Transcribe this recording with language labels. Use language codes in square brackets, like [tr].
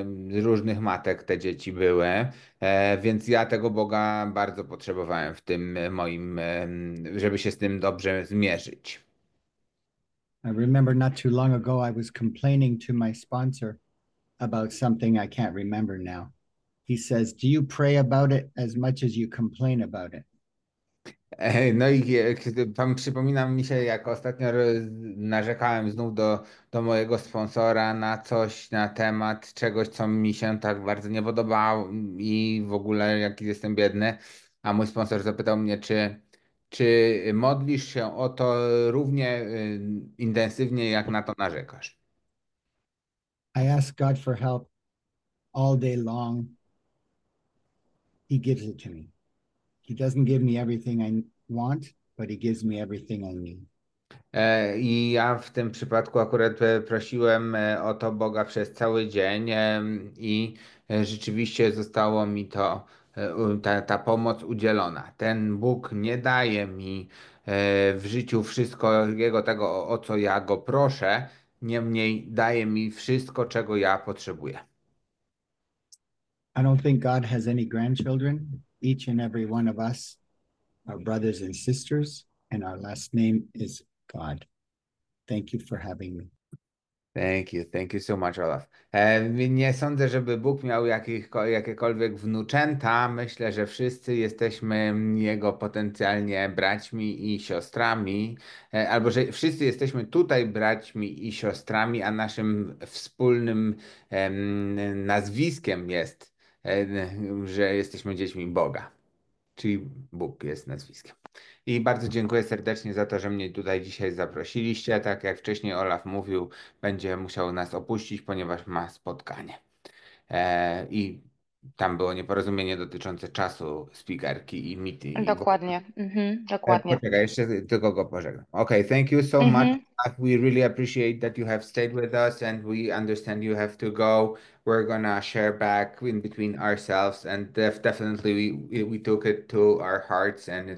[pl] Z różnych matek te dzieci były, więc ja tego Boga bardzo potrzebowałem w tym moim, żeby się z tym dobrze zmierzyć. [en] I remember not too long ago, I was complaining to my sponsor about something I can't remember now. He says, "Do you pray about it as much as you complain about it?" [pl] No i tam przypominam mi się, jak ostatnio narzekałem znów do mojego sponsora na coś na temat czegoś, co mi się tak bardzo nie podobało i w ogóle jaki jestem biedny, a mój sponsor zapytał mnie, czy modlisz się o to równie intensywnie, jak na to narzekasz. [en] I ask God for help all day long. He gives it to me. He doesn't give me everything I want, but he gives me everything I need. [pl] I ja w tym przypadku akurat prosiłem o to Boga przez cały dzień i rzeczywiście zostało mi to, ta pomoc udzielona. Ten Bóg nie daje mi w życiu wszystkiego tego, o co ja go proszę, niemniej daje mi wszystko, czego ja potrzebuję. [en] I don't think God has any grandchildren. Each and every one of us are brothers and sisters, and our last name is God. Thank you for having me. Thank you so much, Olaf. [pl] Nie sądzę, żeby Bóg miał jakiekolwiek wnuczęta. Myślę, że wszyscy jesteśmy Jego potencjalnie braćmi i siostrami, albo że wszyscy jesteśmy tutaj braćmi i siostrami, a naszym wspólnym nazwiskiem jest, że jesteśmy dziećmi Boga, czyli Bóg jest nazwiskiem. I bardzo dziękuję serdecznie za to, że mnie tutaj dzisiaj zaprosiliście. Tak jak wcześniej Olaf mówił, będzie musiał nas opuścić, ponieważ ma spotkanie. I tam było nieporozumienie dotyczące czasu speakerki i mity. Dokładnie. Dokładnie. Poczekaj, jeszcze tylko go pożegnam. [en] Okay, thank you so much. We really appreciate that you have stayed with us and we understand you have to go. We're gonna share back in between ourselves and definitely we took it to our hearts and it was